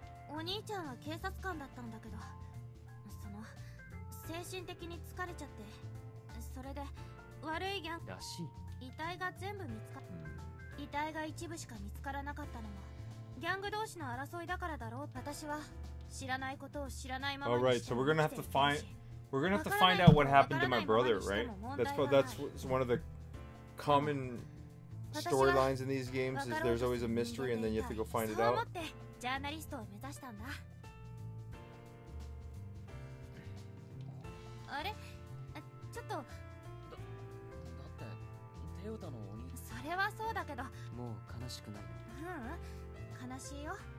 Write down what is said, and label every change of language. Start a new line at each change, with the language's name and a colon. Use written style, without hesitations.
Japanese: お兄ちゃんは警察官だったんだけど、その精神的に疲れちゃって。それで悪いギャングらしい。遺体が全部見つかった、うん、遺体が一部しか見つからなかったのもギャング同士の争いだからだろう。私は知らないことを知らないままにして。
English: Alright, so we're gonna have to find out what happened to my brother, right? That's one of the common storylines in these games is there's always a mystery and then you have to go find it out.
Japanese: そう思ってジャーナリストを目指したんだ。あれ、ちょっと。だってテオタのお兄。それはそうだけど。もう悲しくない。うん、悲しいよ。